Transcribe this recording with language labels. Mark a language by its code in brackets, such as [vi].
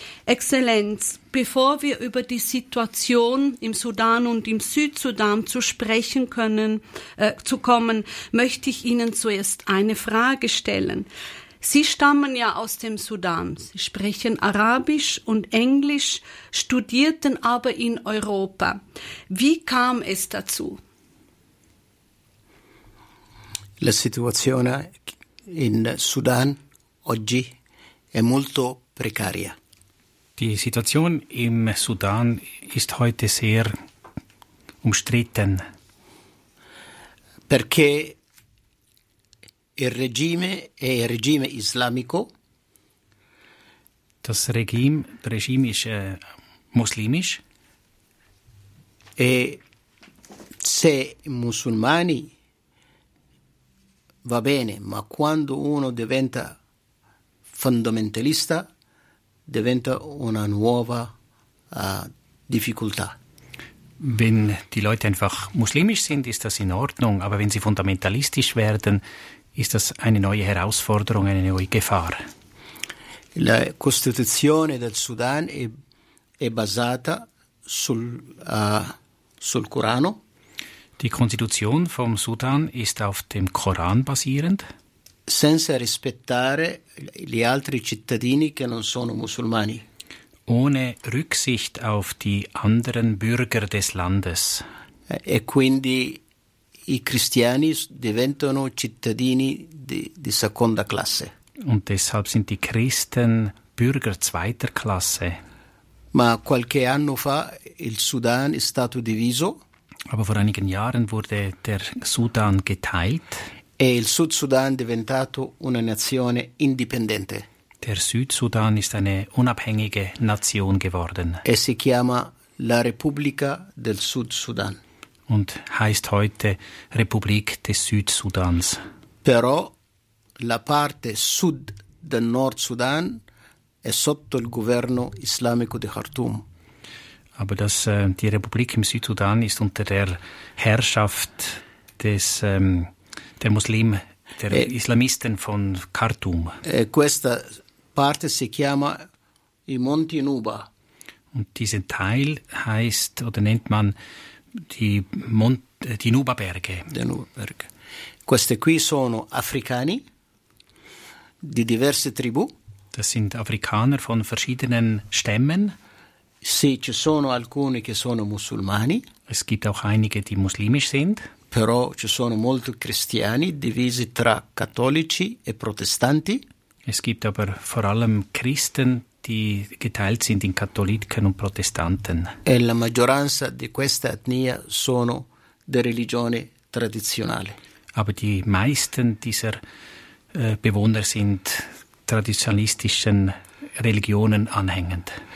[de] Exzellenz, bevor wir über die Situation im Sudan und im Südsudan zu sprechen können, zu kommen, möchte ich Ihnen zuerst eine Frage stellen. Sie stammen ja aus dem Sudan, Sie sprechen Arabisch und Englisch, studierten aber in Europa. Wie kam es dazu? [it] La situazione in Sudan oggi è molto precaria. [de] Die Situation im Sudan ist heute sehr umstritten. [it] Perché il regime è il regime islamico. [de] Das Regime ist muslimisch. [it] E se musulmani va bene, ma quando uno diventa fondamentalista diventa una nuova difficoltà. [de] Wenn die Leute einfach muslimisch sind, ist das in Ordnung, aber wenn sie fundamentalistisch werden, ist das eine neue Herausforderung, eine neue Gefahr. [it] La Costituzione del Sudan è basata sul Corano. [de] Die Konstitution vom Sudan ist auf dem Koran basierend. [it] Senza rispettare gli altri cittadini che non sono musulmani. [de] Ohne Rücksicht auf die anderen Bürger des Landes. [it] E quindi i cristiani diventano cittadini di seconda classe. [de] Und deshalb sind die Christen Bürger zweiter Klasse. [it] Ma qualche anno fa il Sudan è stato diviso. [de] Aber vor einigen Jahren wurde der Sudan geteilt. [it] E il Sud Sudan è diventato una nazione indipendente. [de] Der Südsudan ist eine unabhängige Nation geworden. [it] E si chiama la Repubblica del Sud Sudan. [de] Und heißt heute Republik des Südsudans. [it] Però la parte sud del Nord Sudan è sotto il governo islamico di Khartoum. [de] Aber das, die Republik im Südsudan ist unter der Herrschaft des der Muslim der Islamisten von Khartoum. [it] Questa parte si chiama i Monti Nuba. [de] Und diesen Teil heißt oder nennt man die Nuba-Berge. [it] Queste qui sono africani di diverse tribù. [de] Das sind Afrikaner von verschiedenen Stämmen. [it] Sì, ci sono alcuni che sono musulmani. [de] Es gibt auch einige, die muslimisch sind. [it] Però ci sono molti cristiani divisi tra cattolici e protestanti. [de] Es gibt aber vor allem Christen, die geteilt sind in Katholiken und Protestanten. [it] E la maggioranza di questa etnia sono di religione tradizionale. [de] Aber die meisten dieser Bewohner sind traditionalistischen Religionen anhängend.